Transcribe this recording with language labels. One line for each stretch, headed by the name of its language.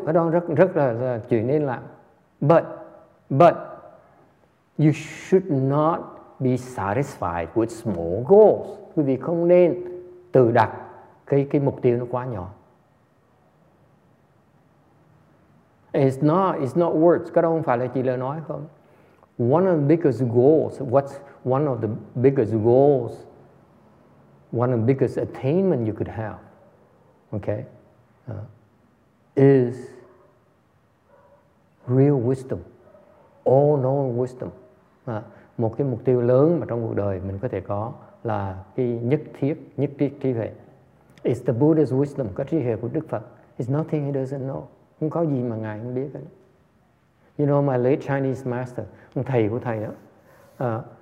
Vietnamese: Cái đó rất là chuyện nên làm.
English: But, you should not be satisfied with small goals.
Vietnamese: Quý vị không nên tự đặt cái mục tiêu nó quá nhỏ.
English: It's not words.
Vietnamese: Có đâu không phải là chỉ lời nói không?
English: One of the biggest goals, what's one of the biggest goals, one of the biggest attainment you could have, okay, is real wisdom, all-knowing wisdom.
Vietnamese: Một cái mục tiêu lớn mà trong cuộc đời mình có thể có là cái nhất thiết trí huệ.
English: It's the Buddha's wisdom,
Vietnamese: cái trí huệ của Đức Phật.
English: It's nothing he doesn't know.
Vietnamese: Không có gì mà Ngài không biết.
English: You know my late Chinese master,
Vietnamese: ông thầy của thầy đó.